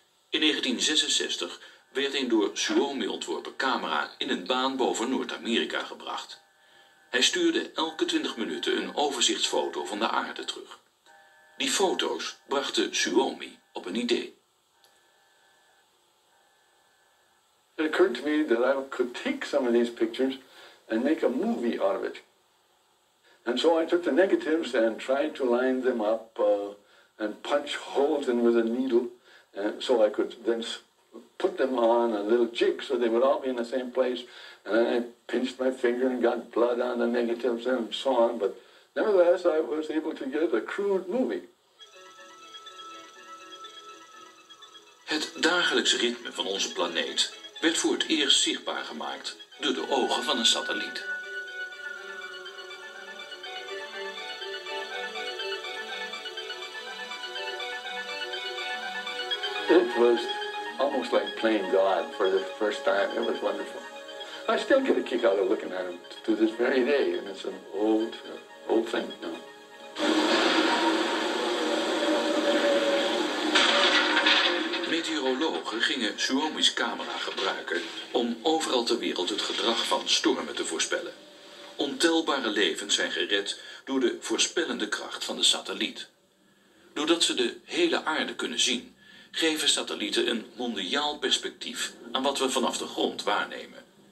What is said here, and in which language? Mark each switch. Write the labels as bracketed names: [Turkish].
[Dutch] In 1966 werd een door Suomi ontworpen camera in een baan boven Noord-Amerika gebracht. Hij stuurde elke 20 minuten een overzichtsfoto van de aarde terug. Die foto's brachten Suomi op een idee. [English] It occurred to me that I could take some of these pictures and make a movie out of it. And so I took the negatives and tried to line them up and punch holes in with a needle so I could then put them on a little jig so they would all be in the same place. And then I pinched my finger and got blood on the negatives and so on. But nevertheless, I was able to get a crude movie. [Dutch] Het dagelijks ritme van onze planeet werd voor het eerst zichtbaar gemaakt door de ogen van een satelliet. [English] It was almost like playing God for the first time. It was wonderful. I still get a kick out of looking at them to this very day, and it's an old thing, you know. [Dutch] Meteorologen gingen Suomi's camera gebruiken om overal ter wereld het gedrag van stormen te voorspellen. Ontelbare levens zijn gered door de voorspellende kracht van de satelliet. Doordat ze de hele aarde kunnen zien, geven satellieten een mondiaal perspectief aan wat we vanaf de grond waarnemen.